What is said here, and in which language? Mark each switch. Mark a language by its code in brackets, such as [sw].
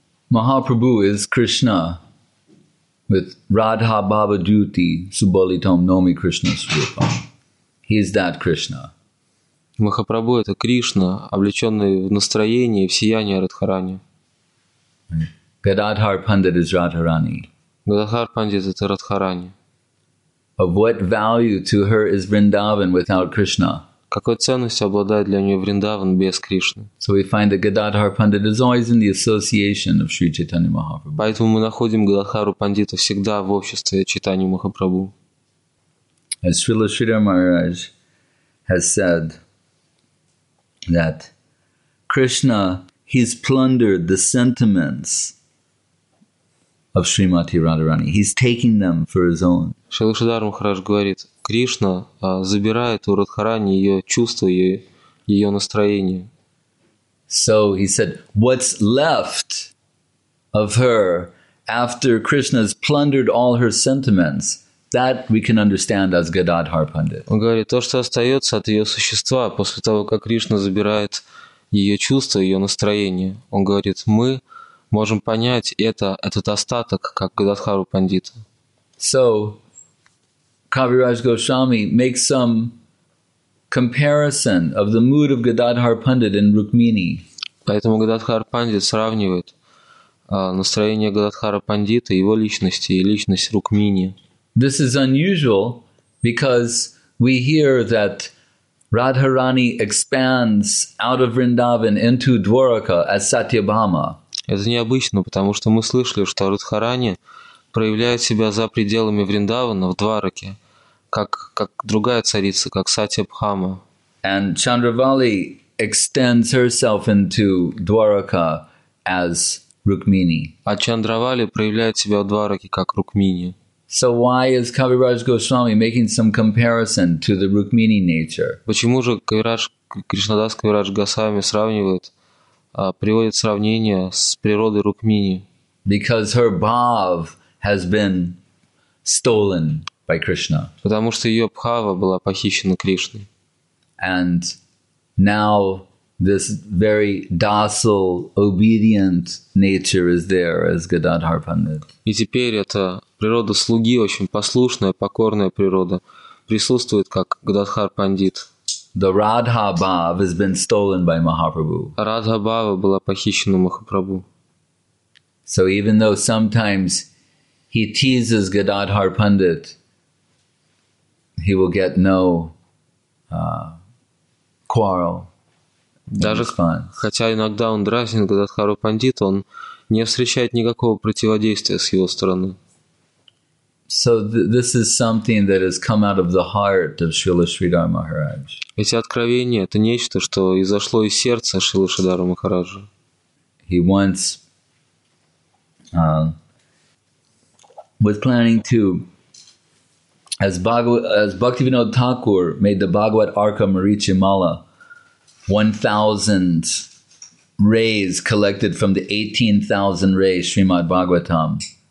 [en] Mahaprabhu is Krishna with [sa] Radha Bhava Dyuti Subalitam Nomi Krishna Swarupa. [en] He is that Krishna. [ru] Mahaprabhu – это Кришна, облеченный в настроение и в сияние Радхарани. [en] Gadadhar Pandit is Radharani. Gadadhar Pandit is Radharani. Of what value to her is Vrindavan without Krishna? [ru] Какой ценностью обладает для нее Вриндаван без Кришны? [en] So we find that Gadadhar Pandit is always in the association of Sri Chaitanya Mahaprabhu. [ru] Поэтому мы находим Гададхару Пандита всегда в обществе Чайтаньи Махапрабху. [en] As Srila Sridhar Maharaj has said that Krishna, he's plundered the sentiments of Srimati Radharani. He's taking them for his own. [ru] Шрила Шридхар Махарадж говорит, Кришна забирает у Радхарани ее чувства, ее настроение. [en] So he said, what's left of her after Krishna's plundered all her sentiments, that we can understand as Gadadhar Pandit. [ru] Он говорит, то, что остается от ее существа после того, как Кришна забирает ее чувства, ее настроение, он говорит, мы можем понять этот остаток, как Гададхару Пандита. [en] So, Kaviraj Goswami makes some comparison of the mood of Gadadhar Pandit in Rukmini. [ru] Поэтому Гададхар Пандит сравнивает настроение Гададхара Пандита, его личности и личность Рукмини. [en] This is unusual because we hear that Radharani expands out of Vrindavan into Dwaraka as Satyabhama. [ru] Это необычно, потому что мы слышали, что Радхарани проявляет себя за пределами Вриндавана в Двараке, как другая царица, как Сатья-Бхама. [en] And Chandravali extends herself into Dwaraka as Rukmini. [ru] А Чандравали проявляет себя в Двараке как Рукмини. [en] So why is Kaviraj Goswami making some comparison to the Rukmini nature? [ru] Почему же Кришнадас Кавирадж Госвами сравнивает приводит сравнение с природой Рукмини. [en] Because her bhav has been stolen by Krishna. [ru] Потому что ее бхава была похищена Кришной. [en] And now this very docile, obedient nature is there as Gadadhar Pandit. [ru] И теперь эта природа слуги, очень послушная, покорная природа, присутствует как Гададхар Пандит. [en] The Radha Bhava has been stolen by Mahaprabhu. [ru] Radha Bhava была похищена Махапрабху. [en] So even though sometimes he teases Gadadhar Pandit, he will get no quarrel. [ru] Даже хотя иногда он дразнит Гададхару Пандита, он не встречает никакого противодействия с его стороны. [en] So this is something that has come out of the heart of Srila Sridhar Maharaj. [ru] Эти откровения – это нечто, что изошло из сердца Шрилы Шридхара Махараджа. [en] He once was planning to, as Bhaktivinoda Thakur made the Bhagavad Arka Marichimala, 1,000 rays collected from the 18,000 rays Srimad Bhagavatam.